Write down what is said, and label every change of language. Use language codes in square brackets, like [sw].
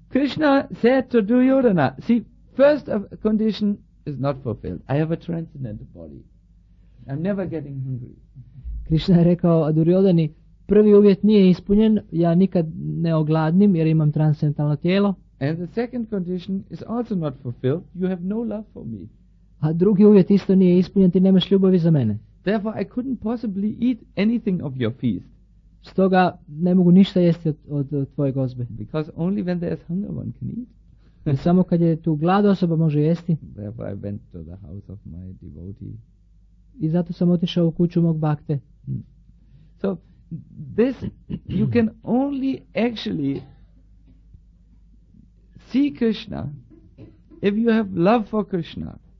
[en] Krishna said to Duryodhana, see, first condition is not fulfilled. I have a transcendental body. I'm never getting hungry. [hr] Krishna je rekao Duryodhani, prvi uvjet nije ispunjen, ja nikad ne ogladnim jer imam transcendentalno tijelo. [en] And the second condition is also not fulfilled. You have no love for me. [hr] A drugi uvjet isto nije ispunjen, ti nemaš ljubavi za mene. [en] Therefore I couldn't possibly eat anything of your feast. [hr] Stoga ne mogu ništa jesti od tvoje gozbe. [en] Because only when there is hunger one can eat. [hr] Samo kad je tu glad osoba može jesti. [en] Therefore I went to the house of my devotee. [hr] I zato sam otišao u kuću mog bakte. [en] So this you can only actually see Krishna if you have love for Krishna.